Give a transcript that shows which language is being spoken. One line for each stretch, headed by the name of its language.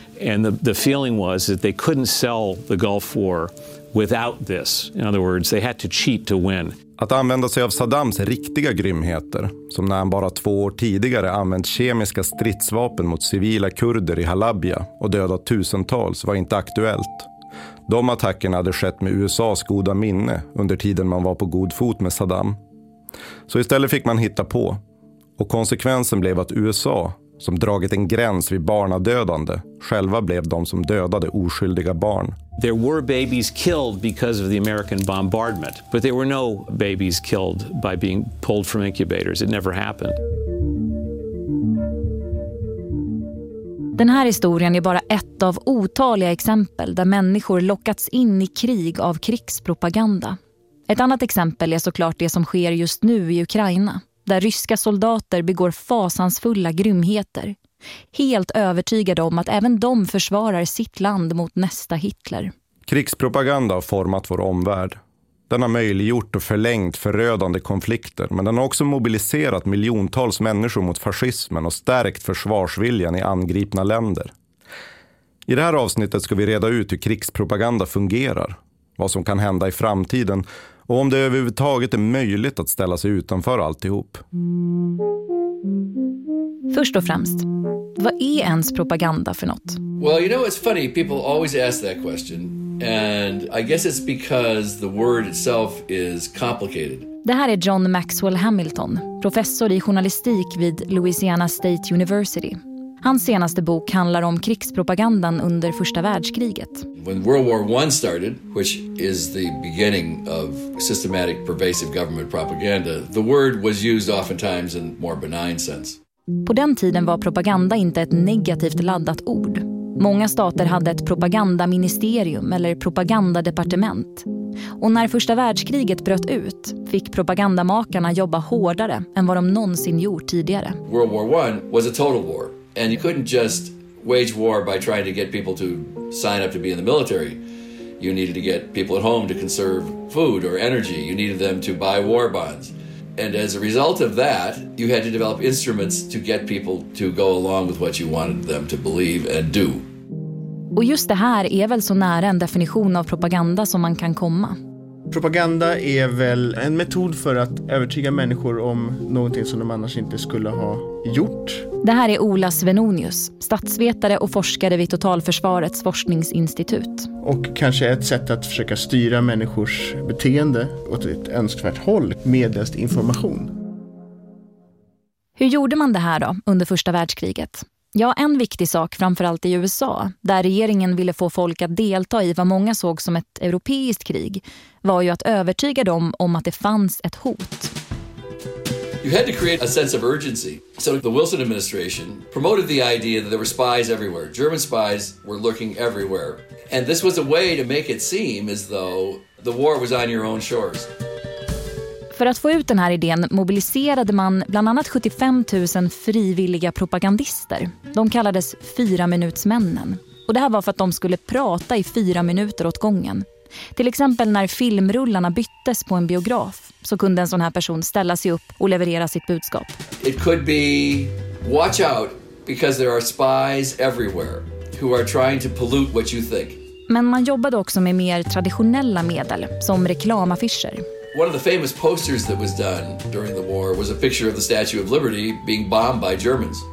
English: And the feeling was that they couldn't sell the Gulf War without this. In other words, they had to cheat to win.
Swedish: Att använda sig av Saddams riktiga grymheter, som när han bara 2 år tidigare använt kemiska stridsvapen mot civila kurder i Halabja och dödat tusentals, var inte aktuellt. De attackerna hade skett med USAs goda minne under tiden man var på god fot med Saddam. Så istället fick man hitta på. Och konsekvensen blev att USA, som dragit en gräns vid barnadödande, själva blev de som dödade oskyldiga barn.
English: There were babies killed because of the American bombardment, but there were no babies killed by being pulled from incubators. It never happened.
Swedish: Den här historien är bara ett av otaliga exempel där människor lockats in i krig av krigspropaganda. Ett annat exempel är såklart det som sker just nu i Ukraina, där ryska soldater begår fasansfulla grymheter. Helt övertygade om att även de försvarar sitt land mot nästa Hitler. Krigspropaganda har format vår omvärld. Den har möjliggjort och förlängt förödande konflikter, men den har också mobiliserat miljontals människor mot fascismen och stärkt försvarsviljan i angripna länder. I det här avsnittet ska vi reda ut hur krigspropaganda fungerar, vad som kan hända i framtiden och om det överhuvudtaget är möjligt att ställa sig utanför alltihop. Först och främst, vad är ens propaganda för något?
English: Well, you know, it's funny. People always ask that question. And I guess it's because the word itself is complicated.
Swedish: Det här är John Maxwell Hamilton, professor i journalistik vid Louisiana State University. Hans senaste bok handlar om krigspropagandan under första världskriget.
English: When World War I started, which is the beginning of systematic pervasive government propaganda, the word was used oftentimes in more benign sense.
Swedish: På den tiden var propaganda inte ett negativt laddat ord. Många stater hade ett propagandaministerium eller propagandadepartement. Och när första världskriget bröt ut fick propagandamakarna jobba hårdare än vad de någonsin gjort tidigare.
English: World War I was a total war. And you couldn't just wage war by trying to get people to sign up to be in the military. You needed to get people at home to conserve food or energy. You needed them to buy war bonds. And as a result of that, you had to develop instruments to get people to go along with what you wanted them to believe and do.
Swedish: Och just det här är väl så nära en definition av propaganda som man kan komma. Propaganda är väl en metod för att övertyga människor om någonting som de annars inte skulle ha gjort. Det här är Ola Svenonius, statsvetare och forskare vid Totalförsvarets forskningsinstitut. Och kanske ett sätt att försöka styra människors beteende åt ett önskvärt håll medelst information. Hur gjorde man det här då under första världskriget? Ja, en viktig sak framförallt i USA, där regeringen ville få folk att delta i vad många såg som ett europeiskt krig, var ju att övertyga dem om att det fanns ett hot.
English: You had to create a sense of urgency. So the Wilson administration promoted the idea that there were spies everywhere. German spies were lurking everywhere. And this was a way to make it seem as though the war was on your own shores.
Swedish: För att få ut den här idén mobiliserade man bland annat 75 000 frivilliga propagandister. De kallades 4-minutsmännen. Och det här var för att de skulle prata i 4 minuter åt gången. Till exempel när filmrullarna byttes på en biograf så kunde en sån här person ställa sig upp och leverera sitt budskap.
English: It could be watch out because there are spies everywhere who are trying to pollute what you think.
Swedish: Men man jobbade också med mer traditionella medel som reklamaffischer.
English: One of the famous posters that was done during the war was a picture of the Statue of Liberty being bombed by Germans.